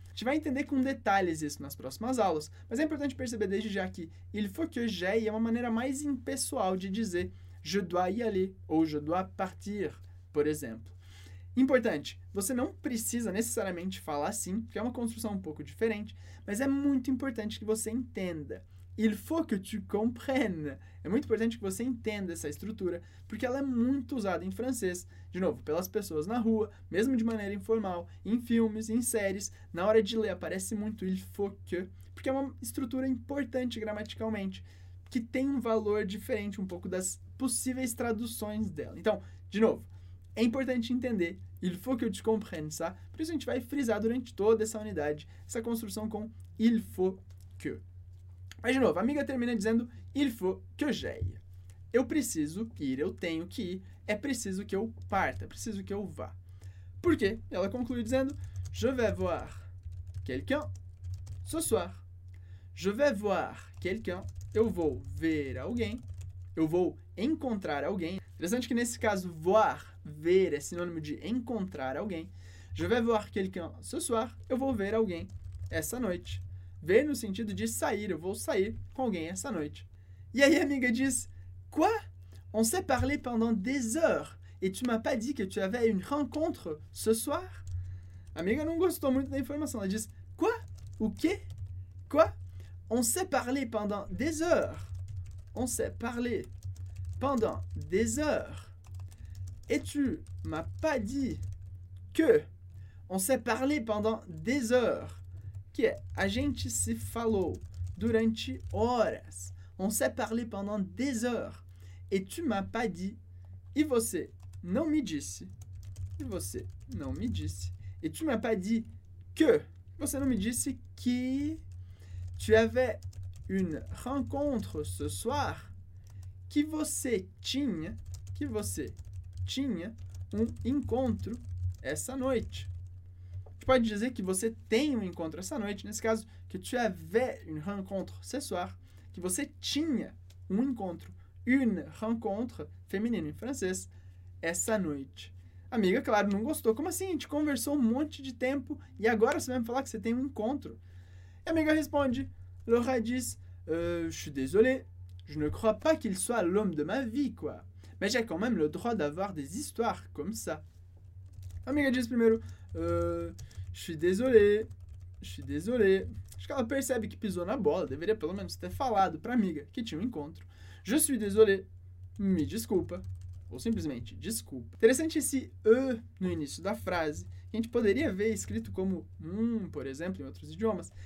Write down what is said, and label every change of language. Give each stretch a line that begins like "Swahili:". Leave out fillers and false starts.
Portuguese: A gente vai entender com detalhes isso nas próximas aulas, mas é importante perceber desde já que
French: il faut que j'aille
Portuguese: é uma maneira mais impessoal de dizer
French: je dois y aller
Portuguese: ou
French: je dois partir,
Portuguese: por exemplo. Importante, você não precisa necessariamente falar assim, porque é uma construção um pouco diferente, mas é muito importante que você entenda.
French: Il faut que tu comprennes.
Portuguese: É muito importante que você entenda essa estrutura, porque ela é muito usada em francês, de novo, pelas pessoas na rua, mesmo de maneira informal, em filmes, em séries, na hora de ler aparece muito
French: il faut que,
Portuguese: porque é uma estrutura importante gramaticalmente, que tem um valor diferente um pouco das possíveis traduções dela. Então, de novo, é importante entender,
French: il faut que tu comprennes,
Portuguese: tá? Por isso a gente vai frisar durante toda essa unidade, essa construção com
French: il faut que.
Portuguese: Mas de novo, a amiga termina dizendo,
French: il faut que j'aille.
Portuguese: Eu preciso ir, eu tenho que ir, é preciso que eu parta, é preciso que eu vá. Por quê? Ela conclui dizendo,
French: je vais voir quelqu'un ce soir. Je vais voir quelqu'un,
Portuguese: eu vou ver alguém, eu vou encontrar alguém. Interessante que nesse caso, voir, ver, é sinônimo de encontrar alguém.
French: Je vais voir quelqu'un ce soir,
Portuguese: eu vou ver alguém essa noite. Ver no sentido de sair, eu vou sair com alguém essa noite. E aí a amiga diz, quoi?
French: On s'est parlé pendant des heures et tu m'as pas dit que tu avais une rencontre ce soir?
Portuguese: A amiga não gostou muito da informação, ela diz, quoi? O quê? Quoi?
French: On s'est parlé pendant des heures. On s'est parlé pendant des heures. Et tu m'as pas dit que on s'est parlé pendant des heures.
Portuguese: Que é, a gente se falou durante horas.
French: On s'est parlé pendant des heures. Et tu m'as pas dit.
Portuguese: E você não me disse. E você não me disse.
French: Et tu m'as pas dit que.
Portuguese: Você não me disse que
French: tu avais une rencontre ce soir.
Portuguese: Que você tinha. Que você tinha um encontro essa noite. A gente pode dizer que você tem um encontro essa noite, nesse caso,
French: que tu avais une rencontre ce soir,
Portuguese: que você tinha um encontro,
French: une rencontre,
Portuguese: feminino em francês, essa noite. Amiga, claro, não gostou. Como assim? A gente conversou um monte de tempo e agora você vai me falar que você tem um encontro? E a amiga responde, Laura diz,
French: je suis désolé, je ne crois pas qu'il soit l'homme de ma vie, quoi. Mais j'ai quand même le droit d'avoir des histoires comme ça.
Portuguese: A amiga diz primeiro,
French: je suis désolé.
Portuguese: Acho que ela percebe que pisou na bola, deveria pelo menos ter falado pra amiga que tinha um encontro.
French: Je suis désolé,
Portuguese: me desculpa, ou simplesmente desculpa. Interessante esse no início da frase, que a gente poderia ver escrito como por exemplo, em outros idiomas.